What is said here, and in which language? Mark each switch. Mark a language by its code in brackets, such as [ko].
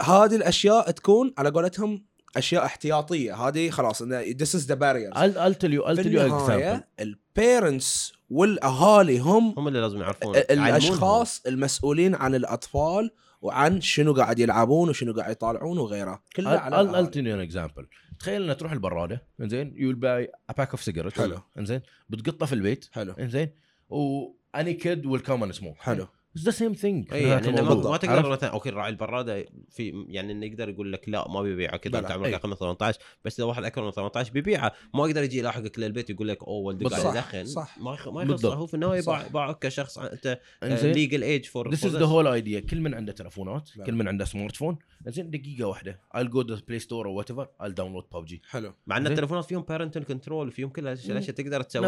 [ar] هذه الأشياء تكون على قولتهم أشياء احتياطية هذه خلاص إنه [en] this is the barriers I'll tell you [ar] في النهاية الـ parents والأهالي هم اللي لازم يعرفون الأشخاص المسؤولين عن الأطفال وعن شنو قاعد يلعبون وشنو قاعد يطالعون وغيره كله على الأهالي [en] I'll tell you an example [ar] تخيل أن تروح البرادة إنزين [en] you'll buy a pack of cigarettes [ar] حلو إنزين بتقطة في البيت حلو إنزين و [en] any kid will come and smoke [ar] حلو [en] It's the same thing. [ar] يعني ما تقدر مثلا اوكي راعي البرادة في يعني انه يقدر يقول لك لا ما بيبيعه كذا انت عمرك اقل من 18 بس اذا واحد اكبر من 18 بيبيعه ما يقدر يجي يلاحقك للبيت يقول لك اوه ولدك قاعد يدخن ما يخصه هو في النهاية باعك كشخص انت [en] legal age for this is the whole idea [ar] كل من عنده تلفونات كل من عنده سمارت فون زين دقيقة واحدة [en] I'll go to the play store or whatever I'll download PUBG [ar] حلو مع ان التلفونات فيهم parental control فيهم كل الاشياء تقدر تسويها